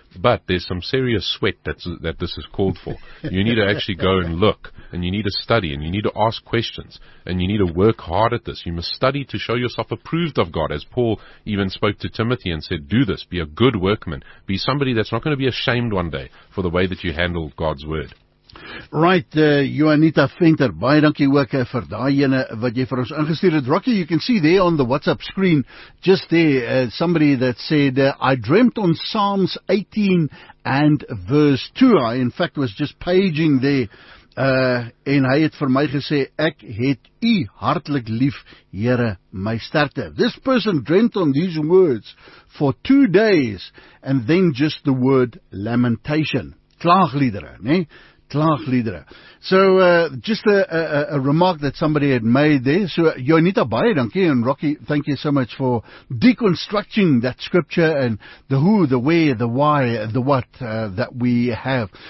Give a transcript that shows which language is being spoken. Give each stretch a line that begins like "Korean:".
English: But there's some serious sweat that this is called for. You need to actually go and look. And you need to study. And you need to ask questions. And you need to work hard at this. You must study to show yourself approved of God. As Paul even spoke to Timothy and said, do this. Be a good workman. Be somebody that's not going to be ashamed one day for the way that you handle God's Word.
Afrikaans: Right, Juanita Venter, baie dankie ook vir daai ene wat jy vir ons ingestuur het.
English: Rocky, you can see there on the WhatsApp screen, just there, somebody that said, I dreamt on Psalms 18 and verse 2. I, in fact, was just paging there.
Afrikaans: En hy het vir my gesê, ek het u hartlik lief, Here, my sterkte.
English: This person dreamt on these words for 2 days, and then just the word lamentation.
Afrikaans: Klaagliedere, né? Klaagliedere.
English: So, just a remark that somebody had made there. So, Jonita,
Afrikaans: baie dankie,
English: and Rocky, thank you so much for deconstructing that scripture and the who, the where, the why, the what that we have.